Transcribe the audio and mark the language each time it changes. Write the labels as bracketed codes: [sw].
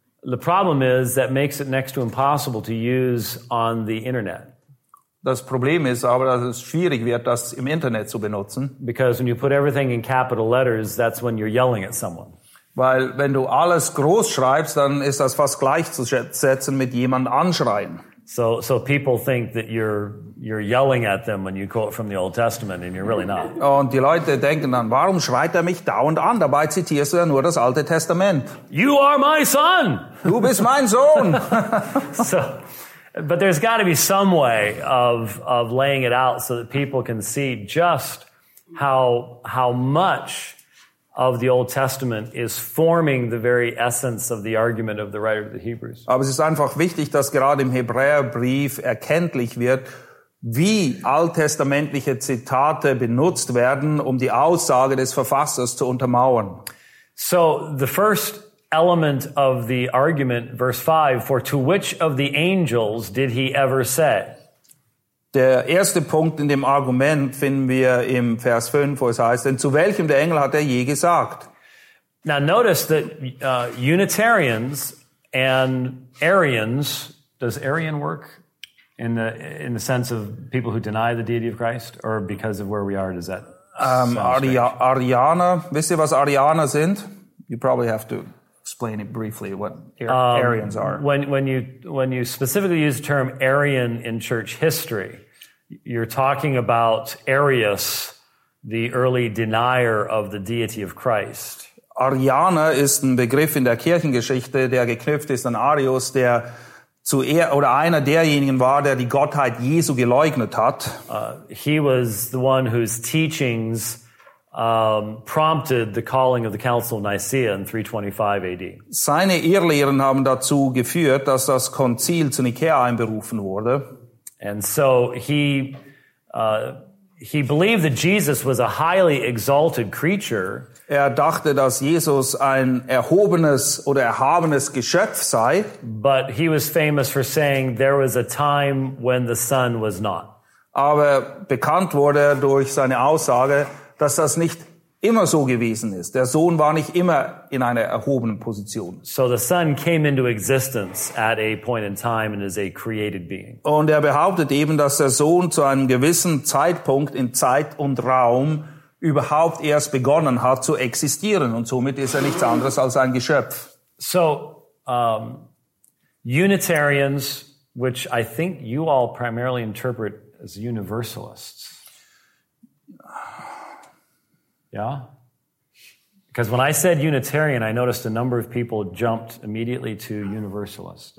[en] The problem is that makes it next to impossible to use on the internet. [de] Das Problem ist aber, dass es schwierig wird, das im Internet zu benutzen. [en] Because when you put everything in capital letters, that's when you're yelling at someone. [de] Weil wenn du alles groß schreibst, dann ist das fast gleichzusetzen mit jemand anschreien. [en] So people think that you're yelling at them when you quote from the Old Testament, and you're really not. [de] Und die Leute denken dann, warum schreit er mich dauernd an? Dabei zitierst du ja nur das Alte Testament. [en] You are my son! [de] Du bist mein Sohn! [en] So, but there's got to be some way of laying it out so that people can see just how much of the Old Testament is forming the very essence of the argument of the writer of the Hebrews. [de] Aber es ist einfach wichtig, dass gerade im Hebräerbrief erkenntlich wird, wie alttestamentliche Zitate benutzt werden, um die Aussage des Verfassers zu untermauern. [en] So the first element of the argument, verse 5, for to which of the angels did he ever say? [de] Der erste Punkt in dem Argument finden wir im Vers 5, wo es heißt, denn zu welchem der Engel hat er je gesagt? [en] Now notice that Unitarians and Arians, does Arian work in the sense of people who deny the deity of Christ, or because of where we are, does that [de] Arianer, wisst ihr, was Arianer sind? [en] You probably have to explain it briefly what Arians are. When you specifically use the term Arian in church history, you're talking about Arius, the early denier of the deity of Christ. [de] Arianer ist ein Begriff in der Kirchengeschichte, der geknüpft ist an Arius, der zu er oder einer derjenigen war, der die Gottheit Jesu geleugnet hat. [en] He was the one whose teachings prompted the calling of the Council of Nicaea in 325 AD. [de] Seine Irrlehren haben dazu geführt, dass das Konzil zu Nikäa einberufen wurde. [en] And so he believed that Jesus was a highly exalted creature. [de] Er dachte, dass Jesus ein erhobenes oder erhabenes Geschöpf sei. [en] But he was famous for saying there was a time when the Son was not. [de] Aber bekannt wurde durch seine Aussage, dass das nicht immer so gewesen ist. Der Sohn war nicht immer in einer erhobenen Position. [en] So the Son came into existence at a point in time and is a created being. [de] Und er behauptet eben, dass der Sohn zu einem gewissen Zeitpunkt in Zeit und Raum überhaupt erst begonnen hat zu existieren, und somit ist er nichts anderes als ein Geschöpf. [en] So Unitarians, which I think you all primarily interpret as universalists. Yeah? Because when I said Unitarian, I noticed a number of people jumped immediately to Universalist.